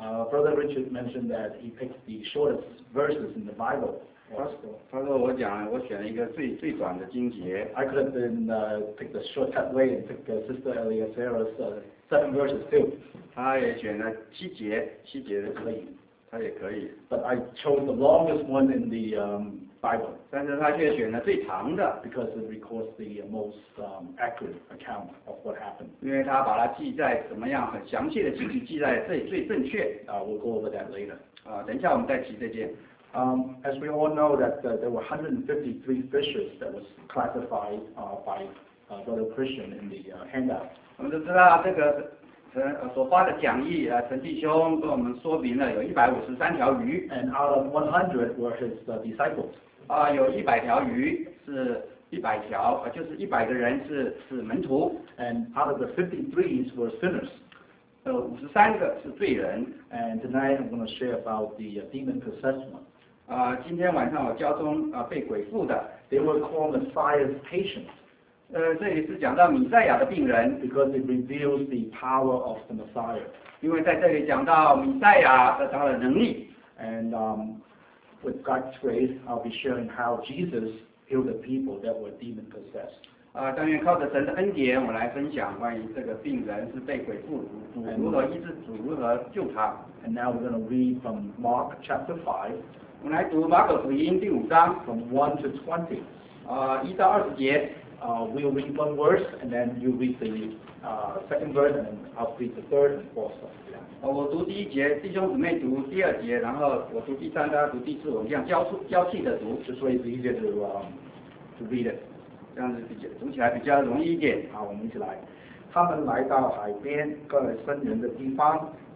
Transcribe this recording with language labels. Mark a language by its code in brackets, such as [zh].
[en] Brother Richard mentioned that he picked the shortest verses in the Bible. Yeah. [zh] 他说我讲我选了一个最短的经节。 [en] I could have been pick the shortcut way and pick Sister Eliezer's seven verses too. [zh] 他也选了七节的可以。他也可以。 [en] But I chose the longest one in the Bible. [zh] 但是他却选了最长的。 [en] Because it records the most accurate account of what happened. [zh] 因为他把它记在怎么样很详细的记录记在最正确。 [en] We'll go over that later. [zh] 等一下我们再提这件。 [en] As we all know that there were 153 fishes that was classified by Brother Christian in the handout. [zh] 我们都知道这个所发的讲义陈弟兄跟我们说明了有153条鱼。 [en] And out of 100 were his disciples. [zh] 有100条鱼是100条就是100个人是门徒。 [en] And out of the 53s were sinners. [zh] 53个是罪人。 [en] And tonight I'm going to share about the demon possession one. [zh] 今天晚上我家中被鬼附的 [en] They were called Messiah's patients. [zh] 这里是讲到弥赛亚的病人 [en] Because it reveals the power of the Messiah. [zh] 因为在这里讲到弥赛亚和他的能力 [en] And with God's grace, I'll be sharing how Jesus healed the people that were demon possessed. [zh] 但愿靠着神的恩典我来分享关于这个病人是被鬼附如何医治主如何救他 [en] And now we're going to read from Mark chapter 5 [zh] 我们来读马可福音第五章 [en] from 1 to 20 [zh] 一到二十节 [en] we'll read one verse and then you read the second verse and I'll read the third and fourth、 [zh] 我读第一节弟兄姊妹读第二节然后我读第三大家读第四我们这样交替的读 [en] just so it's easier to read it [zh] 这样子读起来比较容易一点好我们一起来他们来到海边各个僧人的地方